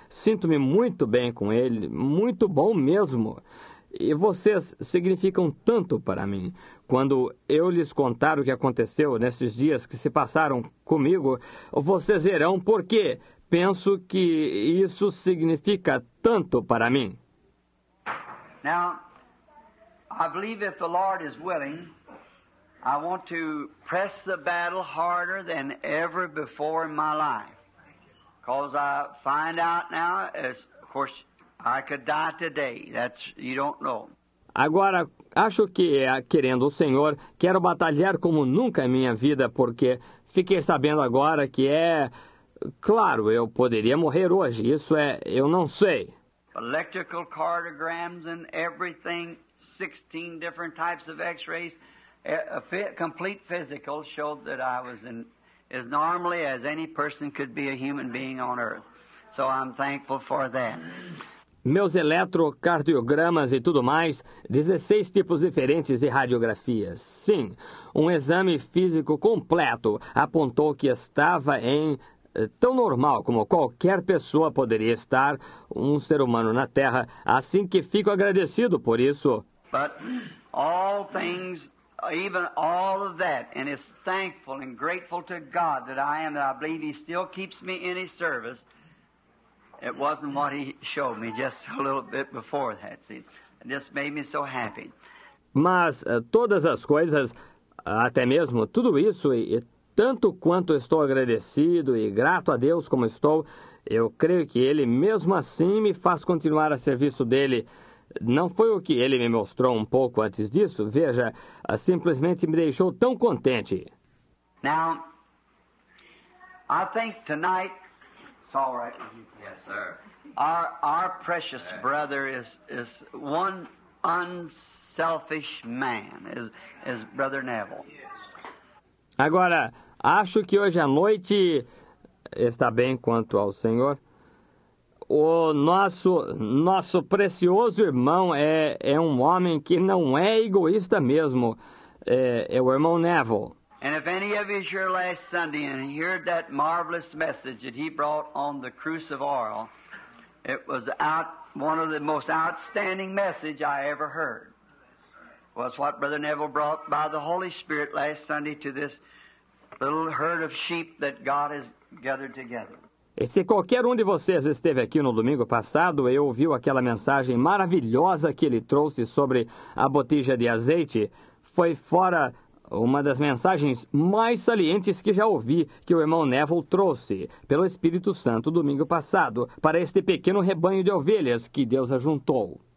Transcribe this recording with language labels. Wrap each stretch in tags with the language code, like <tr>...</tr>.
<pt>Sinto-me muito bem com ele, muito bom mesmo. E vocês significam tanto para mim. Quando eu lhes contar o que aconteceu nesses dias que se passaram comigo, vocês verão por quê. Penso que isso significa tanto para mim.</pt> <en>Now, I believe if the Lord is willing, I want to press the battle harder than ever before in my life. Because I find out now, of course, I could die today. That's, you don't know.</en> <pt>Agora, acho que, querendo o Senhor, quero batalhar como nunca em minha vida, porque fiquei sabendo agora que é... Claro, eu poderia morrer hoje. Isso é... Eu não sei.</pt> <en>Electrical cardiograms and everything, 16 different types of x-rays, complete physical showed that I was in as normally as any person could be a human being on earth. So I'm thankful for that.</en> <pt>Meus eletrocardiogramas e tudo mais, 16 tipos diferentes de radiografias. Sim, um exame físico completo apontou que estava em tão normal como qualquer pessoa poderia estar, um ser humano na Terra, assim que fico agradecido por isso.</pt> <en>But all things, even all of that, and is thankful and grateful to God that I am, that I believe He still keeps me in His service. It wasn't what He showed me just a little bit before that, see. It just made me so happy.</en> <pt>Mas todas as coisas, até mesmo tudo isso, e tanto quanto estou agradecido e grato a Deus como estou, eu creio que Ele mesmo assim me faz continuar a serviço dEle. Não foi o que Ele me mostrou um pouco antes disso? Veja, simplesmente me deixou tão contente.</pt> <en>Now, I think tonight... It's all right. Yes, sir. Our precious brother is one unselfish man, is Brother Neville.</en> <pt>Agora, acho que hoje à noite está bem quanto ao Senhor. O nosso precioso irmão é um homem que não é egoísta mesmo. É o irmão Neville.</pt> <en>And if any of you were here last Sunday and heard that marvelous message that he brought on the crucifix, it was one of the most outstanding messages I ever heard. Was what Brother Neville brought by the Holy Spirit last Sunday to this little herd of sheep that God has gathered together.</en> <pt>E se qualquer um de vocês esteve aqui no domingo passado e ouviu aquela mensagem maravilhosa que ele trouxe sobre a botija de azeite, foi fora uma das mensagens mais salientes que já ouvi que o irmão Neville trouxe pelo Espírito Santo domingo passado para este pequeno rebanho de ovelhas que Deus ajuntou.</pt>